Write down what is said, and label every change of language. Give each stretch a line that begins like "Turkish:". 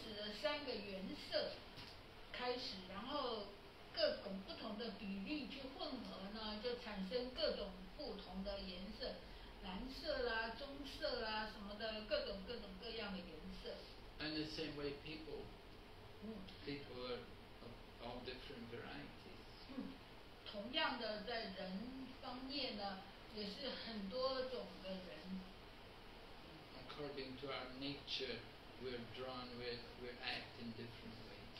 Chinese: 就好像在作画，这个颜料啊，各种颜色都是最原始的三个原色。开始，然后各种不同的比例去混合呢，就产生各种不同的颜色，蓝色啦、棕色啦什么的，各种各样的颜色。
English: And the same way people are of different varieties.
Chinese: 同样的，在人方面呢，也是很多种的人。
English: According to our nature, we're drawn with, we act in different ways.